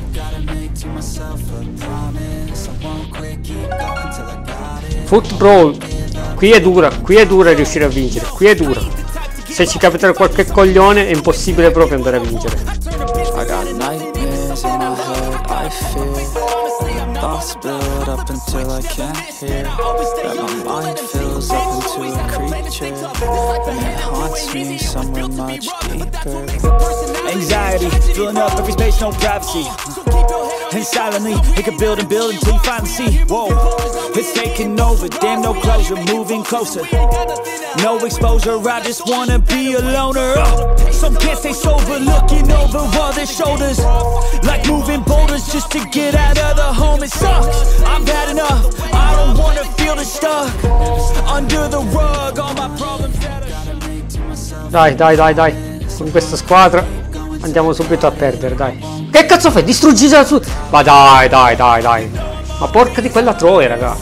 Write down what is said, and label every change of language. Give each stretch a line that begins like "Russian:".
English: Gotta make to myself a promise. I won't quit, keep going till I got it.
Italian: Football, qui è dura riuscire a vincere, qui è dura. Se ci capita qualche coglione è impossibile proprio andare a vincere.
English: I got nightmares in my head, I feel thoughts build up until I can't hear. That my mind fills up into a creature, and it haunts me somewhere much deeper. Anxiety, filling up every space, no privacy. And silently, it could build and build until you finally see. Whoa, it's taking over, damn no closure, moving closer. No exposure, I just wanna be a loner. Some can't stay sober, looking over all their shoulders, like moving boulders just to get out of the home. It sucks, I'm bad enough, I don't wanna feel the stuck under the rug, all my problems that I...
Italian: Dai, dai, dai, dai, con questa squadra andiamo subito a perdere, dai. Che cazzo fai? Distruggi la su... Ma dai, dai, dai, dai. Ma porca di quella troia, raga.